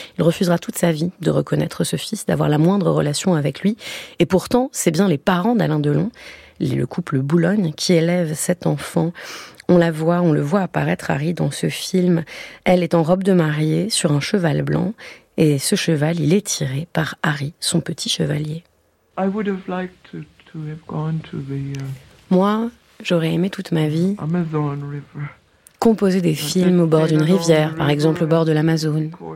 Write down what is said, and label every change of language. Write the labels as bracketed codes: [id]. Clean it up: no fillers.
[fr] Il refusera toute sa vie de reconnaître ce fils, d'avoir la moindre relation avec lui. Et pourtant, c'est bien les parents d'Alain Delon, le couple Boulogne, qui élève cet enfant. On le voit apparaître, Harry, dans ce film. Elle est en robe de mariée, sur un cheval blanc, et ce cheval, il est tiré par Harry, son petit chevalier. [en] I would have liked to have gone to the, [fr] Moi, j'aurais aimé toute ma vie [en] Amazon River. [fr] Composer des films au bord d'une rivière, par exemple au bord de l'Amazon.